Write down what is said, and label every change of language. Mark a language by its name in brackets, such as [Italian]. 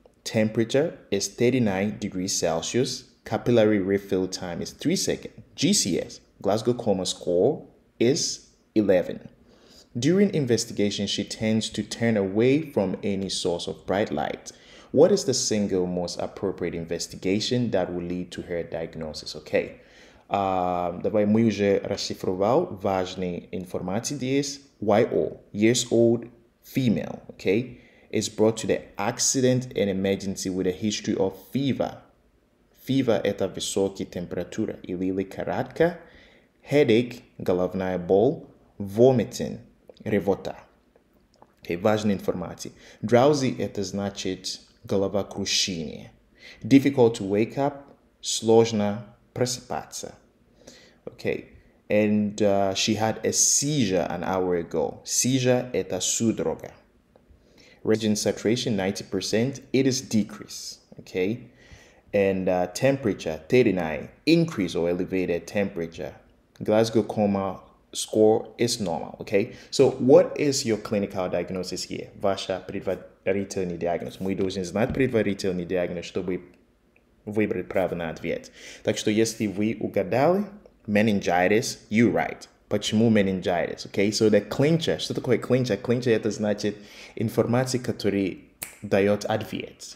[English] Temperature is 39 degrees Celsius. Capillary refill time is 3 seconds. GCS, Glasgow Coma Score, is 11. During investigation, she tends to turn away from any source of bright light. What is the single most appropriate investigation that will lead to her diagnosis? Okay. [Russian] Давай мы уже расшифровал важные информации здесь. [English] YO, years old, female, okay, is brought to the accident and emergency with a history of fever. [Russian] Fever это высокая температура или лихорадка. [English] Headache, [Russian] головная боль. [English] Vomiting, [Russian] ревота. Okay, важные информации. Drowsy это значит... головокрушение. [English] Difficult to wake up. [Russian] Сложно просыпаться. [English] Okay. And she had a seizure an hour ago. Seizure – [Russian] это судорога. [English] Oxygen saturation 90%. It is decreased. Okay. And temperature 39. Increase or elevated temperature. Glasgow Coma score is normal. Okay, so what is your clinical diagnosis here? [Russian] Ваша предварительный диагноз. Мы должны знать предварительный диагноз, чтобы выбрать правильный ответ. Так что если вы угадали meningitis, [English] you right. [Russian] Почему meningitis? [English] Okay, so the clincher. [Russian] Что такое clincher? Clincher это значит информация, которая дает ответ.